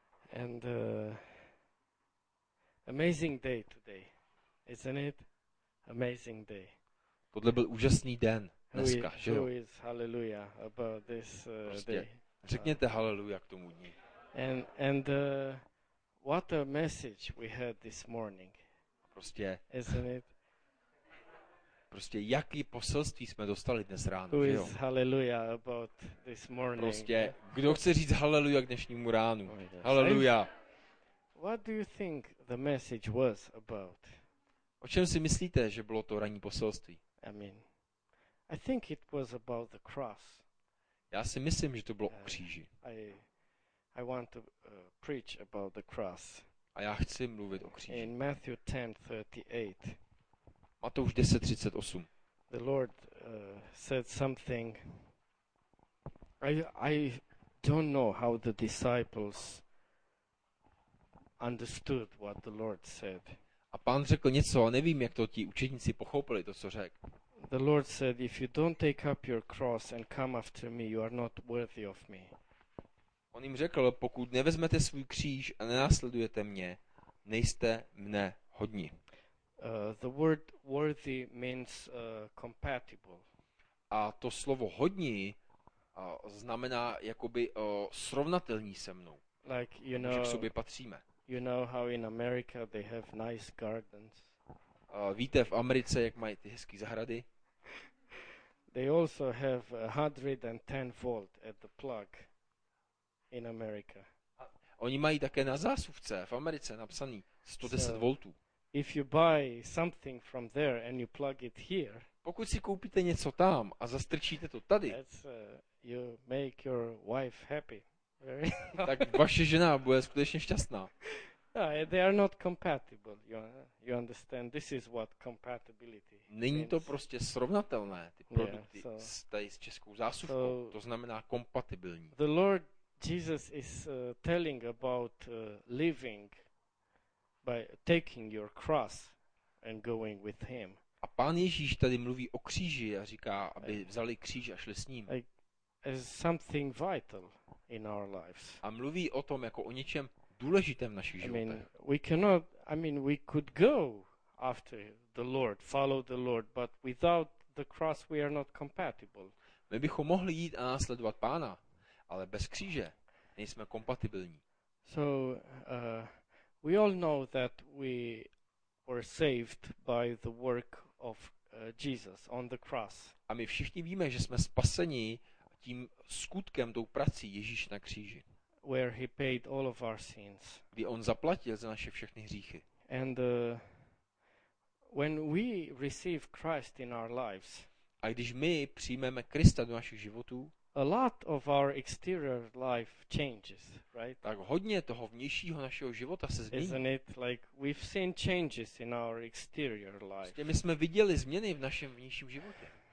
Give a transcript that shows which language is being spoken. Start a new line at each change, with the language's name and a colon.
English: And amazing day today, isn't it? Amazing day.
Czech: Tohle byl úžasný den dneska,
English: who
Czech: že jo?
English: Who is hallelujah about this
Czech: prostě
English: day?
Czech: Řekněte hallelujah k tomu dní.
English: And what a message we had this morning.
Czech: Prostě.
English: Isn't it?
Czech: Prostě jaký poselství jsme dostali dnes ráno,
English: who
Czech: že jo?
English: Who is hallelujah about this morning?
Czech: Prostě, kdo chce říct hallelujah k dnešnímu ránu?
English: Oh, yes. Hallelujah. What do you think the message was about?
Czech: O čem si myslíte, že bylo to ranní poselství?
English: I mean, I think it was about the cross.
Czech: Já si myslím, že to bylo o kříži.
English: I want to preach about the cross.
Czech: A já chci mluvit o kříži.
English: In Matthew 10:38.
Czech: Matouš 10:38.
English: The Lord said something. I don't know how the disciples understood what the Lord said.
Czech: A Pán řekl něco, a nevím, jak to ti učedníci pochopili, to co řekl.
English: The Lord said, if you don't take up your cross and come after me, you are not worthy of me.
Czech: On jim řekl, pokud nevezmete svůj kříž a nenásledujete mě, nejste mne hodni.
English: The word worthy means compatible.
Czech: A to slovo hodni znamená jakoby srovnatelný se mnou.
English: Like, you know,
Czech: že k sobě patříme.
English: You know how in America they have nice gardens.
Czech: Víte v Americe, jak mají ty hezký zahrady?
English: They also have 110 volt at the plug in America.
Czech: Oni mají také na zásuvce v Americe napsaný 110
English: so,
Czech: voltů.
English: If you buy something from there and you plug it here.
Czech: Pokud si koupíte něco tam a zastrčíte to tady.
English: You make your wife happy.
Czech: Tak vaše žena bude skutečně šťastná.
English: No, they are not compatible. You understand? This is what compatibility.
Czech: Není to prostě srovnatelné ty produkty s českou zásuvkou.
English: So
Czech: to znamená kompatibilní.
English: The Lord Jesus is telling about living by taking your cross and going with him.
Czech: A Pán Ježíš tady mluví o kříži a říká, aby vzali kříž a šli s ním.
English: As something vital in our lives.
Czech: A mluví o tom jako o něčem důležitém v našich životech.
English: We could go after the Lord, follow the Lord, but without the cross we are not compatible.
Czech: My bychom mohli jít a následovat Pána, ale bez kříže nejsme kompatibilní.
English: So we all know that we were saved by the work of Jesus on the cross.
Czech: A my všichni víme, že jsme spaseni tím skutkem, tou prací Ježíš na kříži.
English: Where he paid all of our sins.
Czech: Kdy on zaplatil za naše všechny hříchy.
English: And when we receive Christ in our lives.
Czech: A když my přijmeme Krista do našich životů.
English: A lot of our exterior life changes, right?
Czech: Tak hodně toho vnějšího našeho života se změní.
English: Isn't it like we've seen changes in our exterior life?
Czech: Prostě my jsme viděli změny v našem vnějším životě.